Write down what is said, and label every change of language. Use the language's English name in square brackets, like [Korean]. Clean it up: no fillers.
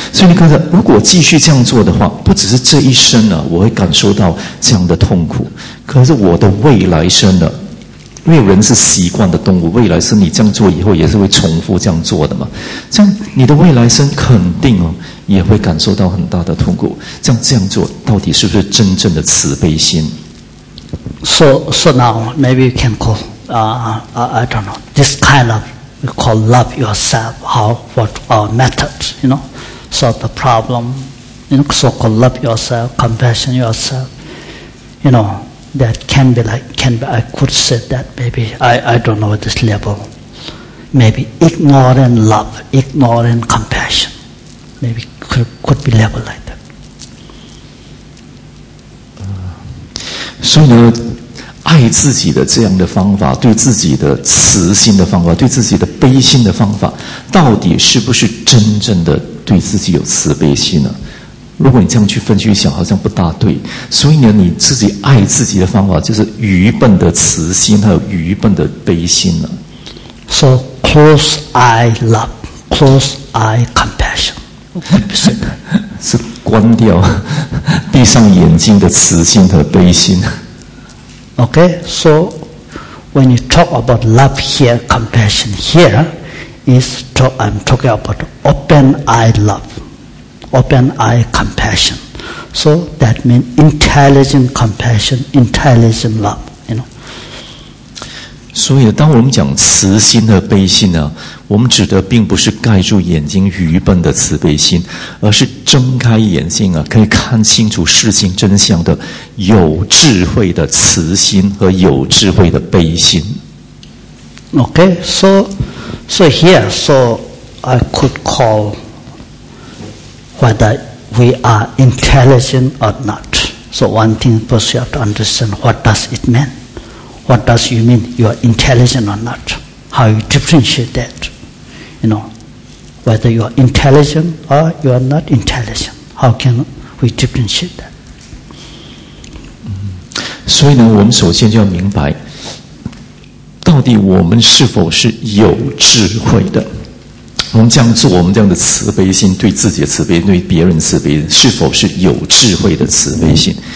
[Chinese] 所以你看看，如果继续这样做的话，不只是这一生呢、啊，我会感受到这样的痛苦，可是我的未来生呢、啊，因为人是习惯的动物，未来生你这样做以后也是会重复这样做的嘛。这样你的未来生肯定哦也会感受到很大的痛苦。这样做到底是不是真正的慈悲心 [English] ？So now maybe you can call. I don't know, this kind of, we call love yourself, what our method, you know, solve the problem, you know, so-called love yourself, compassion yourself, you know, that can be like, I could say that maybe, I don't know this level, maybe ignoring love, ignoring compassion, maybe could be level like that. So, you know, [Chinese] 爱自己的这样的方法，对自己的慈心的方法，对自己的悲心的方法，到底是不是真正的对自己有慈悲心呢？如果你这样去分析一想，好像不大对。所以呢，你自己爱自己的方法就是愚笨的慈心还有愚笨的悲心呢。 [English] So close eye love, close eye compassion. [Chinese] 是关掉闭上眼睛的慈心和悲心。 [English] Okay, so when you talk about love here, compassion here, I'm talking about open eye love, open eye compassion. So that means intelligent compassion, intelligent love. You know. [Chinese] 所以，当我们讲慈心的悲心呢，我们指的并不是盖住眼睛愚笨的慈悲心，而是睁开眼睛啊，可以看清楚事情真相的有智慧的慈心和有智慧的悲心。 [English] Okay, so here, so I could call whether we are intelligent or not. So one thing first you have to understand, what does it mean? What does you mean, you are intelligent or not? How you differentiate that? You know, whether you are intelligent or you are not intelligent. How can we differentiate that? [Chinese] 所以呢，我们首先就要明白到底我们是否是有智慧的？我们这样做，我们这样的慈悲心，对自己的慈悲，对别人慈悲，是否是有智慧的慈悲心？